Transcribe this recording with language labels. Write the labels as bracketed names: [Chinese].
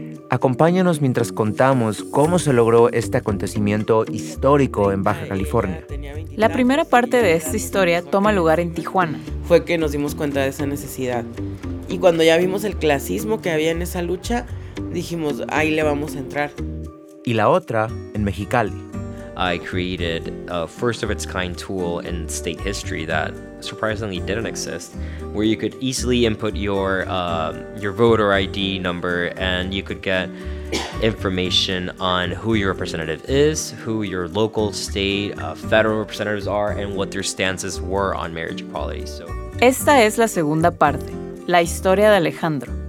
[Spanish] Acompáñanos mientras contamos cómo se logró este acontecimiento histórico en Baja California. La primera parte de esta historia toma lugar en Tijuana. Fue que nos dimos cuenta de esa necesidad. Y cuando ya vimos el clasismo que había en esa lucha, dijimos, ahí le vamos a entrar. Y la otra, en Mexicali. [English] I created a first of its kind tool in state history that surprisingly didn't exist, where you could easily input your voter ID number and you could get information on who your representative is, who your local, state, federal representatives are, and what their stances were on marriage equality. So [Spanish] esta es la segunda parte, la historia de Alejandro.